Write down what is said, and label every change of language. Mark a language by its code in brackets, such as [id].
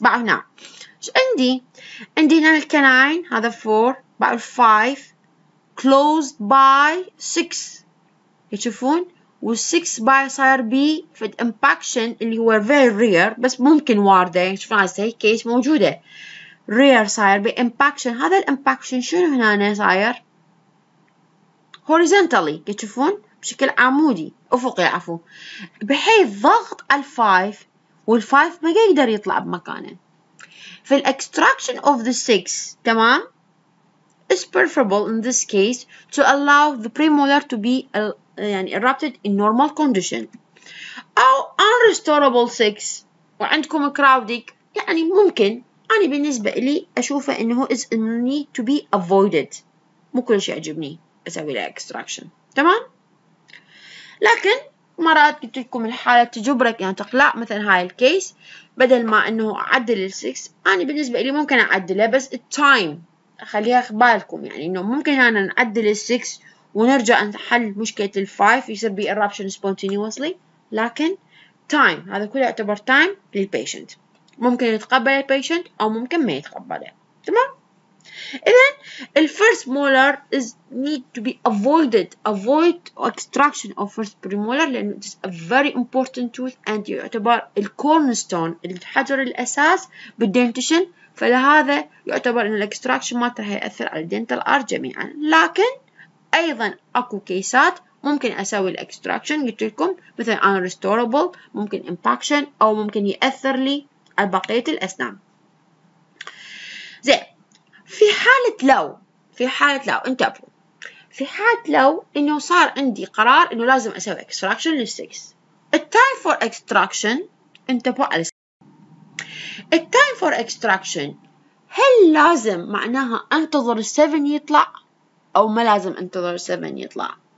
[ar] بقى هنا ايش عندي؟ عندي هنا الكناين هذا 4، بقى ال 5 كلوزد باي 6 تشوفون، وال 6 باي صاير بي في امباكشن اللي هو فيري رير بس ممكن وارده، شوفوا على هاي الكيس موجوده رير صاير بي امباكشن. هذا الامباكشن شنو هنا صاير؟ هوريزونتالي تشوفون بشكل عمودي افقي عفوا، بحيث ضغط الفايف والفايف ما يقدر يطلع بمكانه. [en] في الاكستراكشن of the 6 تمام is preferable in this case to allow the premolar to be يعني erupted in normal condition او unrestorable 6 [ar] وعندكم crowding يعني ممكن. انا بالنسبه لي اشوفه انه [en] is need to be avoided، [ar] مو كل شيء يعجبني اسوي له اكستراكشن. تمام؟ لكن مرات قلت لكم الحالة تجبرك يعني تقلع، مثلا هاي الكيس بدل ما انه اعدل ال 6 انا بالنسبة لي ممكن اعدله، بس التايم خليها اخبالكم يعني انه ممكن انا نعدل ال 6 ونرجع نحل مشكلة ال 5 يصير بي اربشن سبونتينيوسلي، لكن تايم هذا كله يعتبر تايم للبيشنت، ممكن يتقبل البيشنت او ممكن ما يتقبله. تمام؟ إذن [en] the first molar is need to be avoided, avoid extraction of first premolar لأنه it is a very important tooth and يعتبر the cornerstone [ar] الحجر الأساس [en] بالdentition، [ar] فلهذا يعتبر أن الاكستراكشن ما راح يأثر على الدنتال آر جميعا. لكن أيضا أكو كيسات ممكن أسوي الاكستراكشن، قلت لكم مثل unrestorable ممكن impaction أو ممكن يأثر لي على بقية الأسنان. زين في حالة لو، في حالة لو انتبهوا، في حالة لو انه صار عندي قرار انه لازم اسوي extraction لل 6، التايم فور extraction انتبهوا على التايم فور extraction، هل لازم معناها انتظر ال 7 يطلع او ما لازم انتظر ال 7 يطلع،